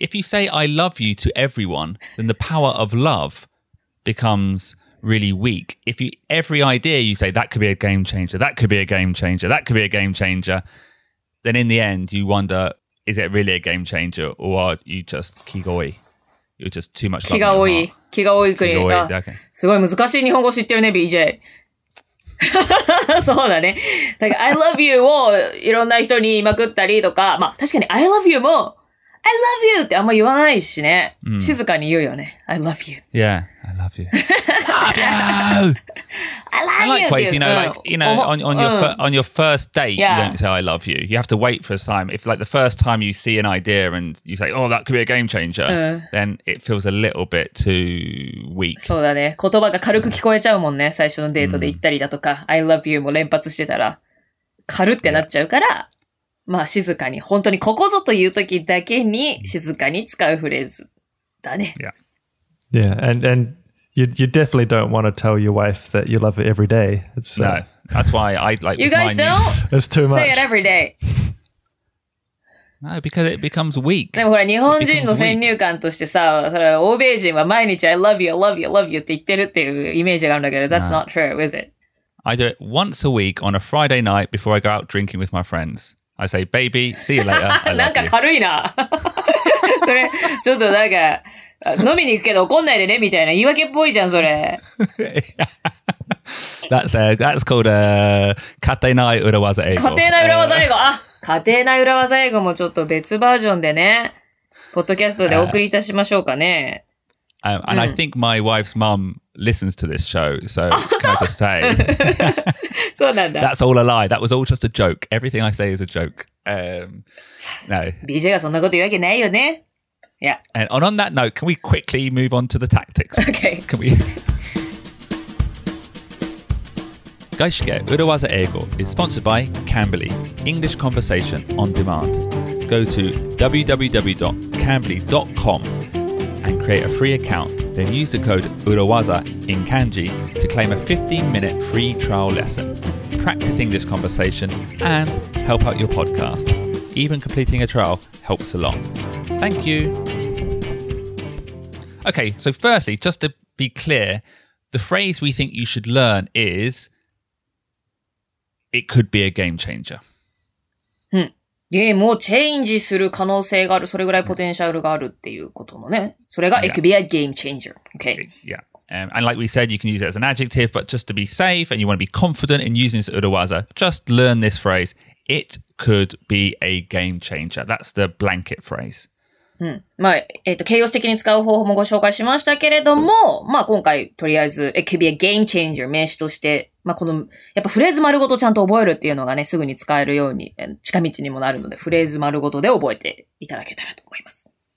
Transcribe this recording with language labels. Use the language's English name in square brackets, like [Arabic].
[English] If you say I love you to everyone, then the power of love becomes really weak. If you, every idea you say, that could be a game changer, that could be a game changer, that could be a game changer, then in the end you wonder, is it really a game changer or are you just [Japanese] 気が多い? [English] You're just too much love in your heart. [Japanese] 気が多い。気が多い国。すごい難しい日本語知ってるね、BJ。そうだね。だから、 [English] I love you [Japanese] をいろんな人に言いまくったりとか、まあ確かに I love you も、I love you ってあんま言わないしね。静かに言うよね。 [English] I love you. Yeah, I love you. I love you. I likewise, you know, like, you know, on your first date, yeah. you don't say I love you. You have to wait for a time. If like the first time you see an idea and you say, oh, that could be a game changer, then it feels a little bit too weak. [Japanese] そうだね。言葉が軽く聞こえちゃうもんね。最初のデートで言ったりだとか、 [English] I love you [Japanese] も連発してたら、軽ってなっちゃうから、まあ静かに、本当にここぞという時だけに静かに使うフレーズだね。 [English] Yeah. Yeah, and You definitely don't want to tell your wife that you love her every day. It's, no, that's why I like... You guys don't? It's too much. Say it every day. No, because it becomes weak. [Japanese] でもほら、日本人の先入観としてさ、それ欧米人は毎日 I love you, I love you, I love you って言ってるっていうイメージがあるんだけど、 [English] that's not true, is it? I do it once a week on a Friday night before I go out drinking with my friends. I say, baby, see you later, I love you. [Japanese] なんか軽いな。それ、ちょっとなんか、飲みに行くけど怒んないでねみたいな言い訳っぽいじゃんそれ。 [English] That's a, that's called a 家庭内裏技英語。 [Japanese] 家庭内裏技英語。あ、家庭内裏技英語もちょっと別バージョンでね、ポッドキャストでお送りいたしましょうかね。 [English] And I think my wife's mum listens to this show, so can I just say? [Japanese] そうなんだ。 [English] That's all a lie. That was all just a joke. Everything I say is a joke. No. [Japanese] BJ がそんなこと言うわけないよね。 [English] Yeah. And on that note, can we quickly move on to the tactics? Okay. Can we? 外資系裏技英語 is sponsored by Cambly, English conversation on demand. Go to www.cambly.com and create a free account. Then use the code 裏技 in kanji to claim a 15-minute free trial lesson. Practice English conversation and help out your podcast. Even completing a trial helps a lot. Thank you. Okay, so firstly, just to be clear, the phrase we think you should learn is it could be a game changer. [Japanese] ゲームをチェンジする可能性がある、それぐらいポテンシャルがあるっていうことのね。それが、 [English] it could be a game changer. Okay. Yeah. And like we said, you can use it as an adjective, but just to be safe and you want to be confident in using this uruwaza, just learn this phrase. It could be a game changer. That's the blanket phrase. [Japanese] うん、まあ、形容詞的に使う方法もご紹介しましたけれども、まあ今回とりあえず、 [English] it could be a game changer [Japanese] 名詞として、まあこの、やっぱフレーズ丸ごとちゃんと覚えるっていうのがね、すぐに使えるように、近道にもなるので、フレーズ丸ごとで覚えていただけたらと思います。